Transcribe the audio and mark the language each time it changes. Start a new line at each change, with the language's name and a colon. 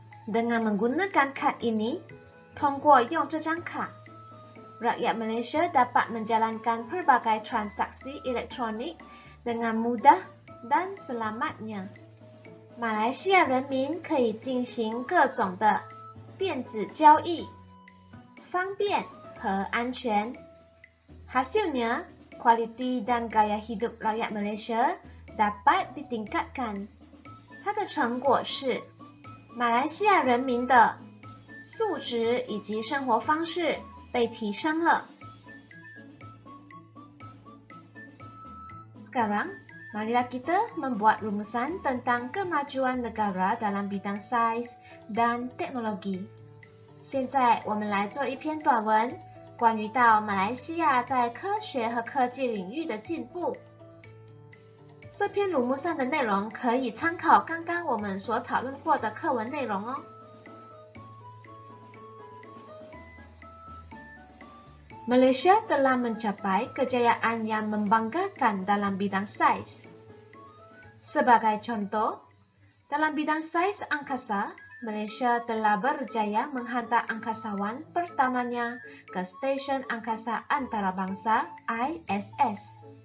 Malay: Dengan menggunakan kad ini,
Chinese: 通过用这张卡
Malay: rakyat Malaysia dapat menjalankan pelbagai transaksi elektronik dengan mudah dan selamatnya.
Chinese: 马来西亚人民可以进行各种的电子交易，方便和安全。
Malay: Hasilnya, kualiti dan gaya hidup rakyat Malaysia dapat ditingkatkan.
Chinese: 它的成果是马来西亚人民的素质以及生活方式被提升了。
Malay: Sekarang, marilah kita membuat rumusan tentang kemajuan negara dalam bidang sains dan teknologi.
Chinese: 现在我们来做一篇短文，关于到马来西亚在科学和科技领域的进步。这篇鲁木赛的内容可以参考刚刚我们所讨论过的课文内容哦。
Malay: Malaysia telah mencapai kejayaan yang membanggakan dalam bidang sains. Sebagai contoh, dalam bidang sains angkasa, Malaysia telah berjaya menghantar angkasawan pertamanya ke Stesen Angkasa Antarabangsa ISS.